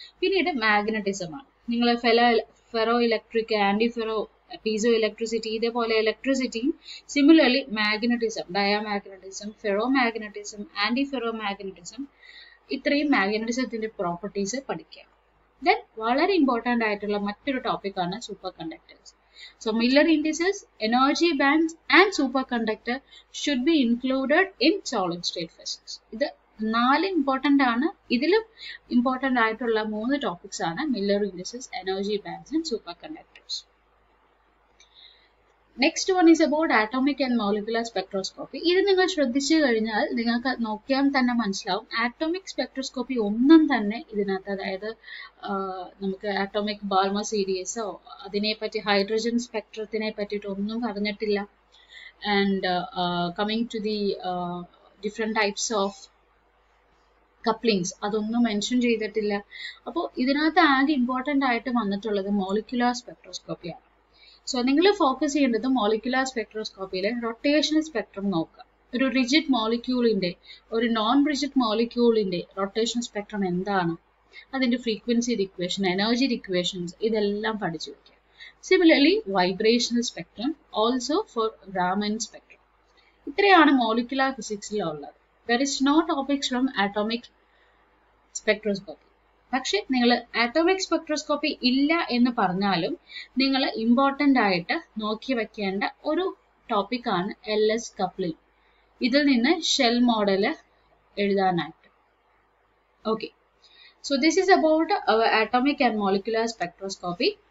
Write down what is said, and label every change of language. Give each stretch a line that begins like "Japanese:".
Malayalam: പിന്നീട് മാഗ്നറ്റിസം ആണ്. നിങ്ങൾ ferro electric, anti ferro, piezo electricity, ഇതേപോലെ ഇലക്ട്രിസിറ്റിയും similarly magnetism, dia magnetism, ferro magnetism, anti ferro magnetism, ഇത്രയും മാഗ്നറ്റിസത്തിന്റെ properties പഠിക്കുക. ദെൻ വളരെ ഇമ്പോർട്ടൻ്റ് ആയിട്ടുള്ള മറ്റൊരു ടോപ്പിക്കാണ് super conductors.
English: So Miller indices, energy bands and superconductor should be included in solid state physics.
Malayalam: The നാല് important ആണ്. ഇതിലും ഇമ്പോർട്ടൻ്റ് ആയിട്ടുള്ള മൂന്ന് ടോപ്പിക്സ് ആണ് Miller indices, energy bands and super conductors.
English: next one is about
Malayalam: atomic and molecular spectroscopy. ഇത് നിങ്ങൾ ശ്രദ്ധിച്ചു കഴിഞ്ഞാൽ നിങ്ങൾക്ക് നോക്കിയാൽ തന്നെ മനസ്സിലാവും ആറ്റോമിക് സ്പെക്ട്രോസ്കോപ്പി ഒന്നും തന്നെ ഇതിനകത്ത്, അതായത് നമുക്ക് ആറ്റോമിക് ബാൾമർ സീരീസോ അതിനെപ്പറ്റി ഹൈഡ്രജൻ സ്പെക്ട്രത്തിനെ പറ്റിയിട്ടൊന്നും പറഞ്ഞിട്ടില്ല. And coming to the different types of couplings അതൊന്നും മെൻഷൻ ചെയ്തിട്ടില്ല. അപ്പോൾ ഇതിനകത്ത് ആകെ ഇമ്പോർട്ടൻ്റ് ആയിട്ട് വന്നിട്ടുള്ളത് മോളിക്കുലർ സ്പെക്ട്രോസ്കോപ്പിയാണ്. സോ നിങ്ങൾ ഫോക്കസ് ചെയ്യേണ്ടത് മോളിക്കുലർ സ്പെക്ട്രോസ്കോപ്പിയിലെ റൊട്ടേഷൻ സ്പെക്ട്രം നോക്കുക. ഒരു റിജിഡ് മോളിക്യൂളിൻ്റെ, ഒരു നോൺ റിജിഡ് മോളിക്യൂളിൻ്റെ റൊട്ടേഷൻ സ്പെക്ട്രം എന്താണ്, അതിൻ്റെ ഫ്രീക്വൻസി ഇക്വേഷൻ, എനർജി ഇക്വേഷൻസ്, ഇതെല്ലാം പഠിച്ചു വയ്ക്കുക.
English: Similarly vibrational spectrum also for Raman spectrum.
Malayalam: ഇത്രയാണ് മോളിക്കുലർ ഫിസിക്സിൽ ഉള്ളത്.
English: There is no topics from atomic spectroscopy.
Malayalam: പക്ഷെ നിങ്ങൾ ആറ്റോമിക് സ്പെക്ട്രോസ്കോപ്പി ഇല്ല എന്ന് പറഞ്ഞാലും നിങ്ങൾ ഇമ്പോർട്ടൻ്റ് ആയിട്ട് നോക്കി വയ്ക്കേണ്ട ഒരു ടോപ്പിക്കാണ് LS coupling. ഇതിൽ നിന്ന് ഷെൽ മോഡൽ എഴുതാനായിട്ട്.
English: Okay, so this is about our atomic and molecular spectroscopy.